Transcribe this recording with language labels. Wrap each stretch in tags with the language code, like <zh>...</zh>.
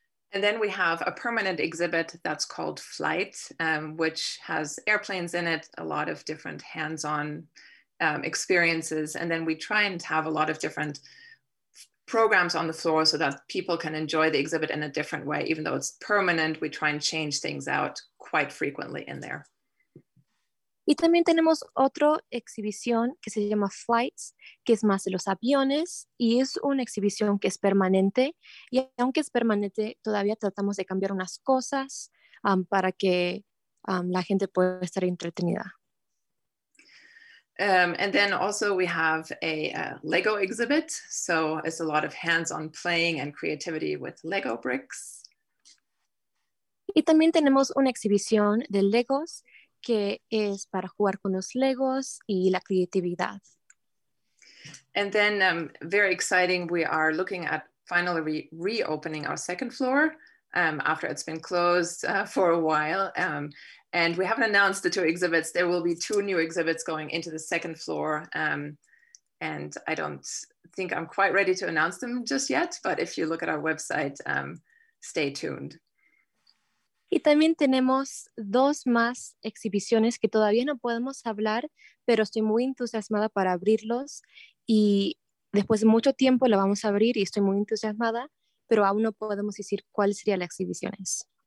<en>And then we have a permanent exhibit that's called Flight, which has airplanes in it, a lot of different hands-on experiences. And then we try and have a lot of different programs on the floor so that people can enjoy the exhibit in a different way. Even though it's permanent, we try and change things out quite frequently in there.</en> <es>Y también tenemos otra exhibición que se llama Flights, que es más de los aviones, y es una exhibición que es permanente. Y aunque es permanente, todavía tratamos de cambiar unas cosas para que la gente pueda estar entretenida.</es> <en>And then also we have a Lego exhibit, so it's a lot of hands-on playing and creativity with Lego bricks.</en> <es>Y también tenemos una exhibición de Legos, que es para jugar con los Legos y la creatividad.</es> <en>And then, very exciting, we are looking at finally reopening our second floor after it's been closed for a while. And we haven't announced the two exhibits. There will be two new exhibits going into the second floor. And I don't think I'm quite ready to announce them just yet, but if you look at our website, stay tuned.</en> <es>Y también tenemos dos más exhibiciones que todavía no podemos hablar, pero estoy muy entusiasmada para abrirlos. Y después de mucho tiempo la vamos a abrir y estoy muy entusiasmada, pero aún no podemos decir cuáles serían las exhibiciones.</es>